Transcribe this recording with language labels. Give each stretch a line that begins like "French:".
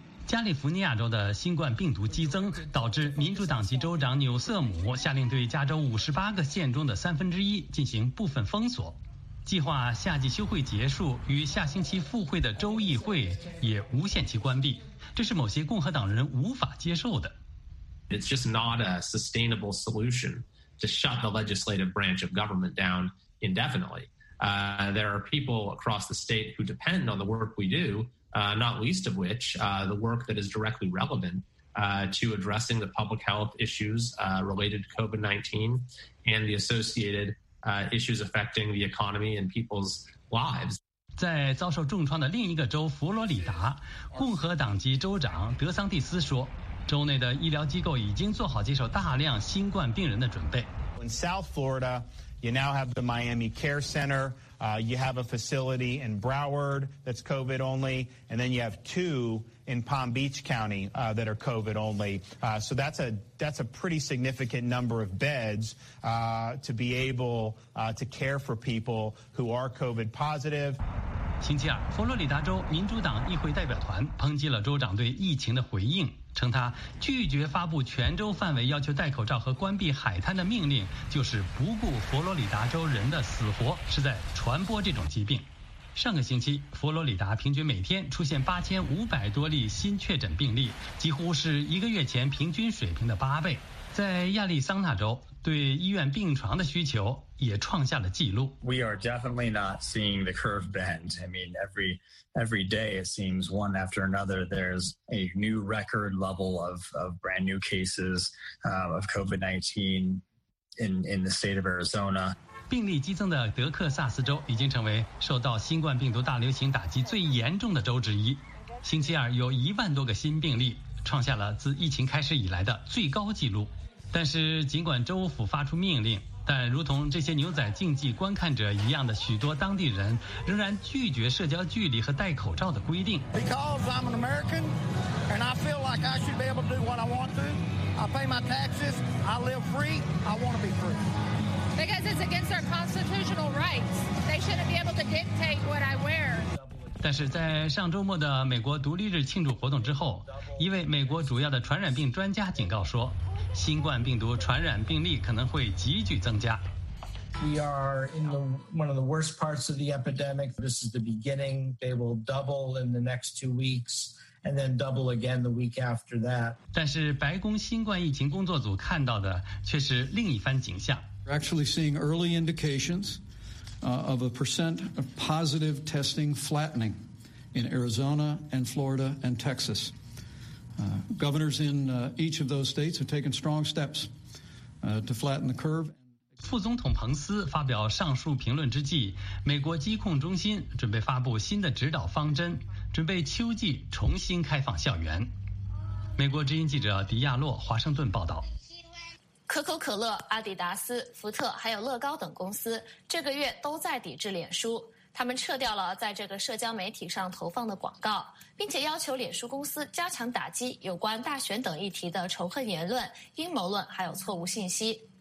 Chinese: 加利福尼亚州的新冠病毒激增，导致民主党籍州长纽瑟姆下令对加州58个县中的1/3进行部分封锁。计划夏季休会结束与下星期复会的州议会也无限期关闭，这是某些共和党人无法接受的。
English: It's just not a sustainable solution. To shut the legislative branch of government down indefinitely. There are people across the state who depend on the work we do, not least of which, the work that is directly relevant, to addressing the public health issues, related to COVID-19 and the associated, issues affecting the economy and people's lives.
Chinese: 在遭受重创的另一个州佛罗里达，共和党籍州长德桑蒂斯说，州内的医疗机构已经做好接受大量新冠病人的准备。
English: In South Florida, you now have the Miami Care Center. You have a facility in Broward that's COVID only, and then you have two in Palm Beach County, that are COVID only. So that's a pretty significant number of beds, to be able, to care for people who are COVID positive.
Chinese: 星期二，佛罗里达州民主党议会代表团抨击了州长对疫情的回应，称他拒绝发布全州范围要求戴口罩和关闭海滩的命令，就是不顾佛罗里达州人的死活，是在传播这种疾病。上个星期，佛罗里达平均每天出现8500多例新确诊病例，几乎是一个月前平均水平的8倍。在亚利桑那州，对医院病床的需求也创下了记录。
English: We are definitely not seeing the curve bend. I mean, every day it seems one after another, there's a new record level of brand new cases, of COVID-19 in the state of Arizona.
Chinese: 病例激增的德克萨斯州已经成为受到新冠病毒大流行打击最严重的州之一。星期二有10000多个新病例，创下了自疫情开始以来的最高纪录。但是尽管州府发出命令，但如同这些牛仔竞技观看者一样的许多当地人仍然拒绝社交距离和戴口罩的规定。
English: Because I'm an American and I feel like I should be able to do what I want to. I pay my taxes, I live free, I want to be free. Because it's against our constitutional rights. They shouldn't be able to dictate what I wear.
Chinese: 但是在上周末的美国独立日庆祝活动之后，一位美国主要的传染病专家警告说，新冠病毒传染病例可能会急剧增加。
English: We are in one of the worst parts of the epidemic. This is the beginning. They will double in the next 2 weeks, and then double again the week after that.
Chinese: 但是白宫新冠疫情工作组看到的却是另一番景象。
English: We're actually seeing early indications. Of a percent of positive testing flattening in Arizona and Florida and Texas. Governors in each of those states have taken strong steps to flatten the curve.
Chinese: 副总统彭斯发表上述评论之际，美国疾控中心准备发布新的指导方针，准备秋季重新开放校园。美国之音记者迪亚洛华盛顿报道。可口可乐、阿迪达斯、福特还有乐高等公司这个月都在抵制脸书，他们撤掉了在这个社交媒体上投放的广告，并且要求脸书公司加强打击有关大选等议题的仇恨言论、阴谋论还有错误信息。